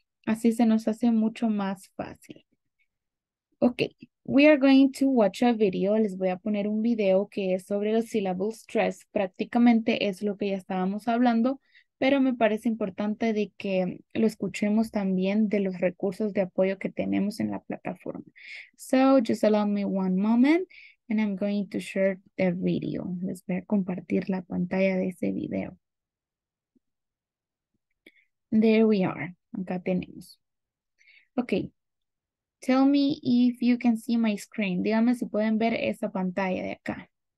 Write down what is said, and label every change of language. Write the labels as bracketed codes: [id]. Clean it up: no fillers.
[es] Así se nos hace mucho más fácil. [en] Ok, we are going to watch a video. [es] Les voy a poner un video que es sobre los syllable stress. Prácticamente es lo que ya estábamos hablando, pero me parece importante de que lo escuchemos también de los recursos de apoyo que tenemos en la plataforma. [en] So, just allow me one moment, and I'm going to share the video. [es] Les voy a compartir la pantalla de ese video. [en] There we are. [es] Acá tenemos. [en] Okay. Tell me if you can see my screen. [es] Díganme si pueden ver esa pantalla de acá.